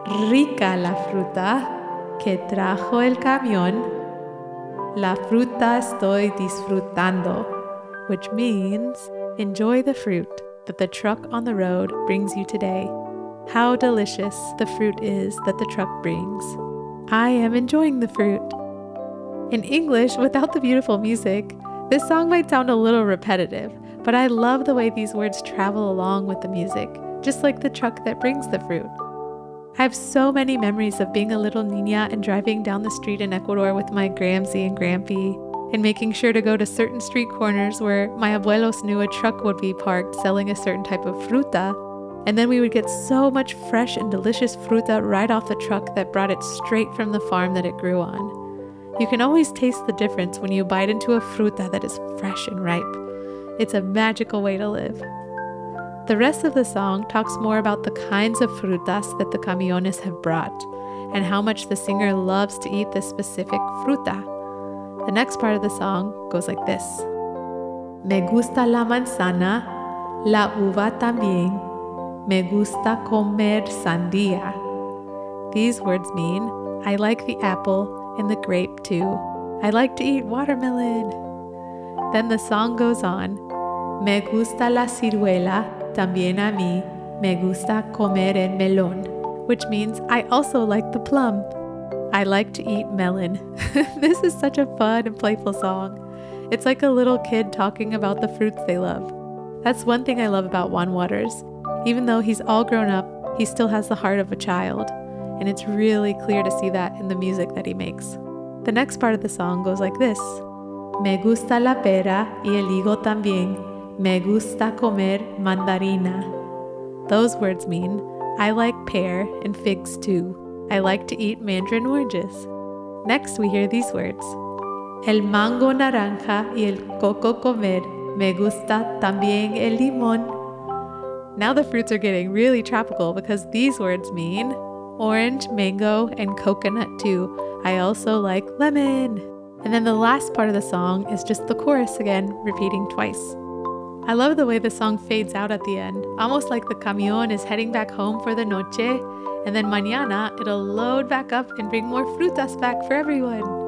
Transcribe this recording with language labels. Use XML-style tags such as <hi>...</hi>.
<es>Rica la fruta que trajo el camión. La fruta estoy disfrutando.</es> <en>Which means, enjoy the fruit that the truck on the road brings you today. How delicious the fruit is that the truck brings. I am enjoying the fruit. In English, without the beautiful music, this song might sound a little repetitive, but I love the way these words travel along with the music, just like the truck that brings the fruit. I have so many memories of being a little niña and driving down the street in Ecuador with my Gramsy and Grampy, and making sure to go to certain street corners where my abuelos knew a truck would be parked selling a certain type of fruta, and then we would get so much fresh and delicious fruta right off the truck that brought it straight from the farm that it grew on. You can always taste the difference when you bite into a fruta that is fresh and ripe. It's a magical way to live. The rest of the song talks more about the kinds of frutas that the camiones have brought, and how much the singer loves to eat this specific fruta. The next part of the song goes like this.</en> <es>Me gusta la manzana, la uva también. Me gusta comer sandía.</es> <en>These words mean, I like the apple and the grape too. I like to eat watermelon. Then the song goes on.</en> <es>Me gusta la ciruela, también a mí. Me gusta comer el melón.</es> <en>Which means, I also like the plum. I like to eat melon. This is such a fun and playful song. It's like a little kid talking about the fruits they love. That's one thing I love about Juan Waters. Even though he's all grown up, he still has the heart of a child. And it's really clear to see that in the music that he makes. The next part of the song goes like this.</en> <es>Me gusta la pera y el higo también. Me gusta comer mandarina.</es> <en>Those words mean, I like pear and figs too. I like to eat mandarin oranges. Next, we hear these words.</en> <es>El mango naranja y el coco comer. Me gusta también el limón.</es> <en>Now the fruits are getting really tropical because these words mean orange, mango, and coconut too. I also like lemon. And then the last part of the song is just the chorus again, repeating twice. I love the way the song fades out at the end, almost like the camión is heading back home for the noche, and then mañana it'll load back up and bring more frutas back for everyone.</en>